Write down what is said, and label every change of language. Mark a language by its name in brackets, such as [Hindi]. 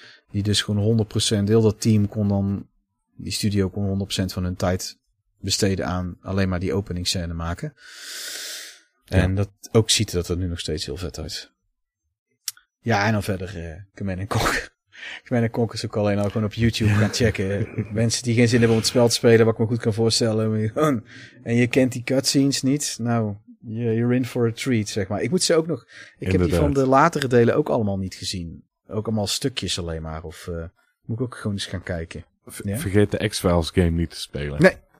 [Dutch] Die dus gewoon 100%, heel dat team kon dan, die studio kon 100% van hun tijd besteden aan alleen maar die openingscène maken. En dat ook ziet dat er nu nog steeds heel vet uit. Ja, en dan verder Command & Conquer. Command & Conquer is ook alleen al gewoon op YouTube gaan checken. Mensen die geen zin hebben om het spel te spelen, wat ik me goed kan voorstellen. En je kent die cutscenes niet. Nou, [English] you're in for a treat, [Dutch] zeg maar. Ik moet ze ook nog. Inderdaad. Heb die van de latere delen ook allemaal niet gezien. Ook allemaal stukjes alleen maar. Of moet ik ook gewoon eens gaan kijken. Vergeet de X-Files game niet te spelen.